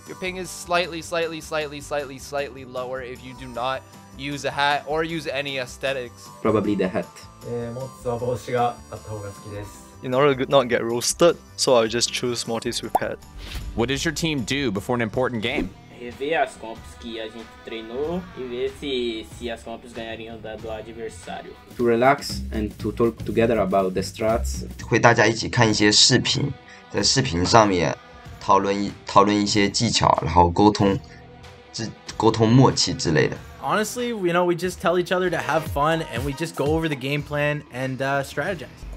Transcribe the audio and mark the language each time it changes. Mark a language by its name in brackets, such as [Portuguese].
[English] Your ping is slightly lower if you do not use a hat or use any aesthetics. Probably the hat. In order to not get roasted, so I'll just choose Mortis with hat. What does your team do before an important game? [Portuguese] Rever as comps que a gente treinou e ver se as comps ganhariam do adversário. [English] To relax and to talk together about the strats. [Chinese] 会大家一起看一些视频, 在视频上面 讨论一些技巧，然后沟通，沟通默契之类的。 [English] Honestly, you know, we just tell each other to have fun and we just go over the game plan and strategize.